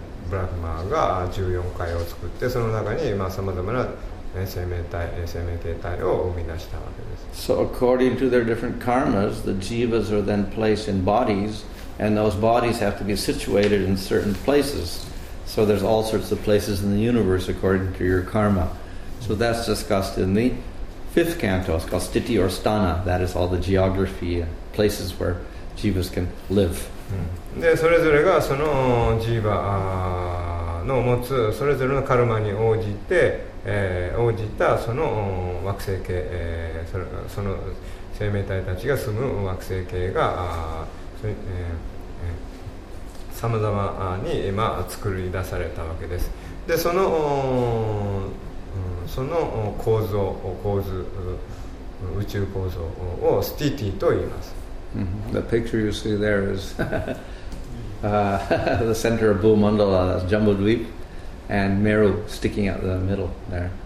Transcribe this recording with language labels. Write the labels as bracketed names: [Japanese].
[Japanese] ブラフマーが14回を作ってその中にさまざまな生命体生命形態を生み出したわけです。 [English] So according to their different karmas, the jivas are then placed in bodies, and those bodies have to be situated in certain places. So there's all sorts of places in the universe according to your karma. So that's discussed in the fifth canto. It's called Stiti or Stana. That is all the geography and places where jivas can live. [Japanese] で、それぞれがそのジーバの持つそれぞれのカルマに応じて、応じたその惑星系、その生命体たちが住む惑星系が、さまざまに今作り出されたわけです。で、その構造、構図、宇宙構造をスティティと言います。 [English] The picture you see there is the center of Bhumandala, that's Jambudvip, and Meru sticking out the middle there.